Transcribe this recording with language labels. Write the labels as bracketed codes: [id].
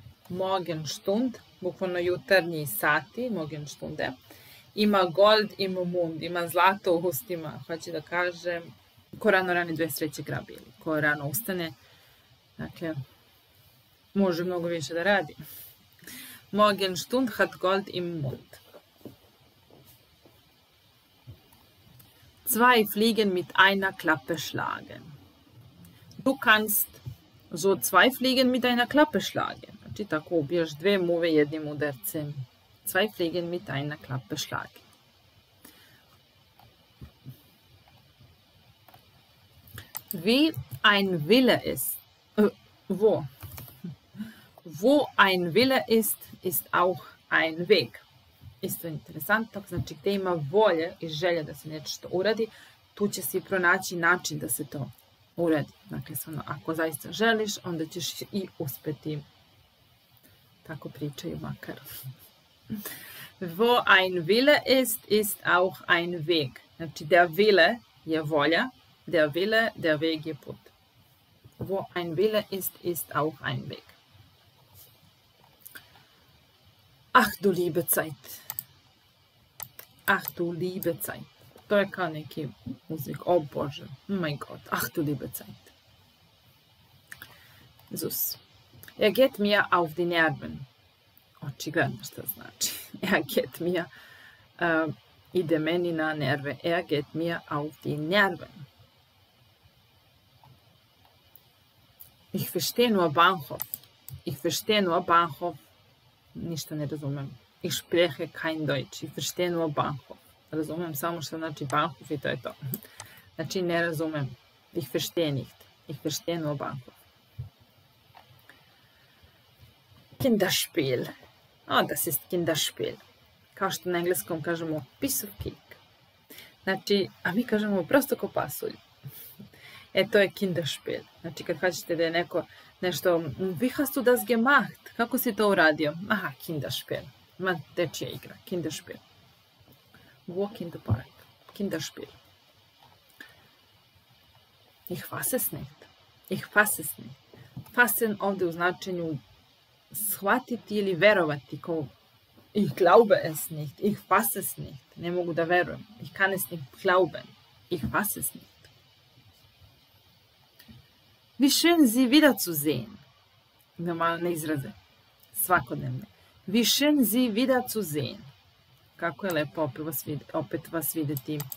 [de] Morgen Stund, [sr] bukvalno jutarnji sati, [de] Morgen Stunde, [sr] ima [de] Gold im Mund, [sr] ima zlato u ustima, hoće da kaže, ko rano rani dve sreće grabi, ili ko rano ustane, dakle, može mnogo više da radi. [de] Morgen Stund hat Gold im Mund. Zwei Fliegen mit einer Klappe schlagen. Du kannst so zwei Fliegen mit einer Klappe schlagen. [sr] Znači, tako ubijaš dve muve jednim udarcem. [de] Zwei Fliegen mit einer Klappe schlagen. Wie ein Wille ist. Wo? Wo ein Wille ist, ist auch ein Weg. [sr] Isto je interesantno, znači gde ima volje i želje da se nešto uradi, tu će se i pronaći način da se to uradi. Dakle, stvarno, ako zaista želiš, onda ćeš i uspeti. Tako pričaju makar. [de] Wo ein Wille ist, ist auch ein Weg. [sr] Znači, der Wille je volja, der Wille, der Weg je put. [de] Wo ein Wille ist, ist auch ein Weg. Ach du liebe Zeit. Ach du liebe Zeit. [sr] To je kao neki muzik. O Bože. [de] Oh mein Gott. Ach du liebe Zeit. Zus. Er geht mir auf die Nerven. [sr] Očigledno što znači. [de] Er geht mir. [sr] Ide meni na nerve. [de] Er geht mir auf die Nerven. Ich verstehe nur Bahnhof. Ich verstehe nur Bahnhof. [sr] Ništa ne razumem. [de] Ich spreche kein Deutsch. Ich verstehe nur Bahnhof. [sr] Razumem samo što znači Bahnhof i to je to. Znači, ne razumem. Ich verstehe nicht. [de] Ich verstehe nur Bahnhof. Kinderspiel. Oh, das ist Kinderspiel. [sr] Kao što na engleskom kažemo [en] piece of cake. [sr] Znači, a mi kažemo prosto ko pasulj. E, to je Kinderspiel. Znači, kad hoćete da je neko nešto, [de] wie hast du das gemacht? [sr] Kako si to uradio? Aha, Kinderspiel. Ma, dečija igra, Kinderspiel. [en] Walk in the Park. [sr] Kinderspiel. [de] Ich fasse es nicht. Ich fasse es nicht. [sr] Fassen ovde u značenju shvatiti ili verovati. [de] Ko, ich glaube es nicht. Ich fasse es nicht. [sr] Ne mogu da verujem. [de] Ich kann es nicht glauben. Ich fasse es nicht. Wie schön, Sie wiederzusehen. [sr] Normalne izraze. Svakodnevne. [de] Wie schön, Sie wiederzusehen. [sr] Kako je lepo opet vas videti.